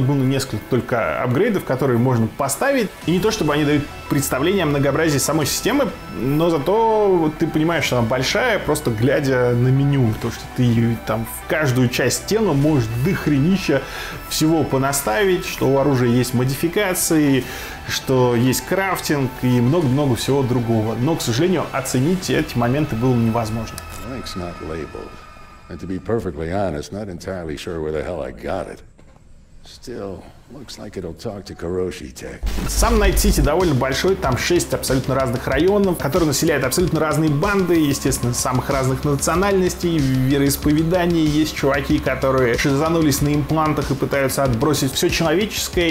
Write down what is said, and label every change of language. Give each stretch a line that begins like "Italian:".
Russian: Было несколько только апгрейдов, которые можно поставить. И не то, чтобы они дают представление о многообразии самой системы, но зато ты понимаешь, что она большая, просто глядя на меню. То, что ты там в каждую часть тела можешь дохренища всего понаставить, что у оружия есть модификации, что есть крафтинг и много-много всего другого. Но, к сожалению, оценить эти моменты было невозможно.
English: Ranks not labeled. And to be perfectly honest, not entirely sure where the hell I got it. Still, looks like it'll talk to Kuroshi Tech.
Russian: Сам Найт-Сити довольно большой, там 6 абсолютно разных районов, которые населяют абсолютно разные банды, естественно, самых разных национальностей, вероисповеданий. Есть чуваки, которые шизанулись на имплантах и пытаются отбросить все человеческое.